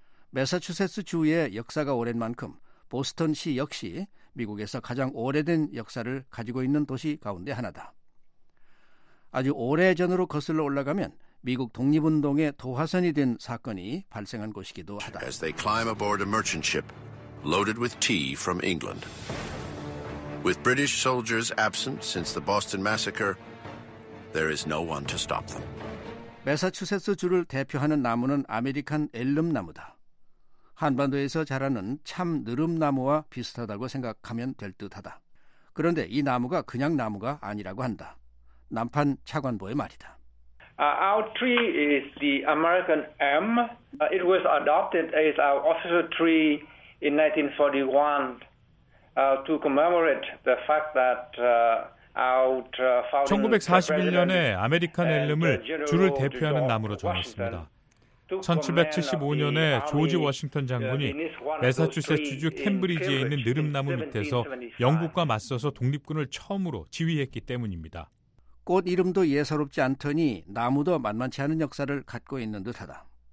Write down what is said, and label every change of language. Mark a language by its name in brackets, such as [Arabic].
[Korean] 매사추세츠 주의 역사가 오랜 만큼 보스턴시 역시 미국에서 가장 오래된 역사를 가지고 있는 도시 가운데 하나다. 아주 오래전으로 거슬러 올라가면 미국 독립운동의 도화선이 된 사건이 발생한 곳이기도 하다. [English] As they climb aboard a merchant ship loaded with tea from England. With British soldiers absent since the Boston Massacre, there is no one to stop them. [Korean] 매사추세츠 주를 대표하는 나무는 아메리칸 엘름 나무다. 한반도에서 자라는 참 느름 나무와 비슷하다고 생각하면 될 듯하다. 그런데 이 나무가 그냥 나무가 아니라고 한다. 남판 차관보의 말이다. [English] Our tree is the American elm. It was adopted as our official tree in 1941 to commemorate the fact that our founding president. [Korean] 1941년에 아메리칸 엘름을 주를 대표하는 나무로 정했습니다. 1775년에 조지 워싱턴 장군이 매사추세츠주 캠브리지에 있는 느름나무 밑에서 영국과 맞서서 독립군을 처음으로 지휘했기 때문입니다. 꽃 이름도 예사롭지 않더니 나무도 만만치 않은 역사를 갖고 있는 듯하다.